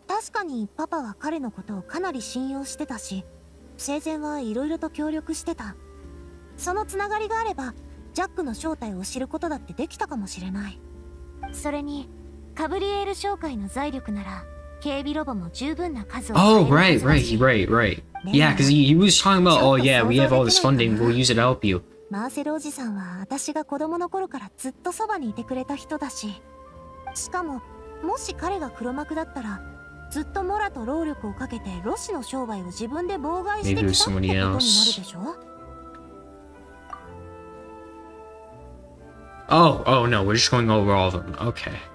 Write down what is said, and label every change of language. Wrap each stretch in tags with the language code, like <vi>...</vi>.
<ja>確かにパパは彼のことをかなり信用してたし、生前はいろいろと協力してた。そのつながりがあれば、ジャックの正体を知ることだってできたかもしれない。それに、カブリエール商会の財力なら、警備ロボも十分な数を。</ja> <en>Oh, right. Yeah, because he was talking about, oh, yeah, we have all this funding, we'll use it to help you.</en> <ja>マーセルおじさんは私が子供の頃からずっとそばにいてくれた人だし。しかももし彼が黒幕だったらずっとモラと労力をかけてロシの商売を自分で妨害してきたってことになるでしょ。</ja> <en>Oh no, we're just going over all of them. Okay.</en>